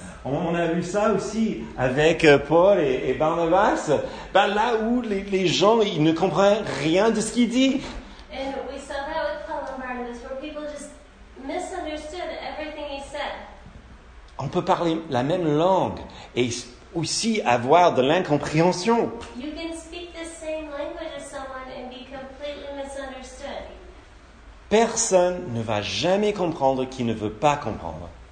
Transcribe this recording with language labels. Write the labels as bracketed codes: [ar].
[fr] On a vu ça aussi avec Paul et Barnabas. Ben là où les gens, ils ne comprennent rien de ce qu'il dit. [en] And we saw that with Paul and Barnabas, where people just misunderstood everything he said. [fr] On peut parler la même langue et aussi avoir de l'incompréhension. [en] You can speak the same language as someone and be completely misunderstood. [fr] Personne ne va jamais comprendre qui ne veut pas comprendre.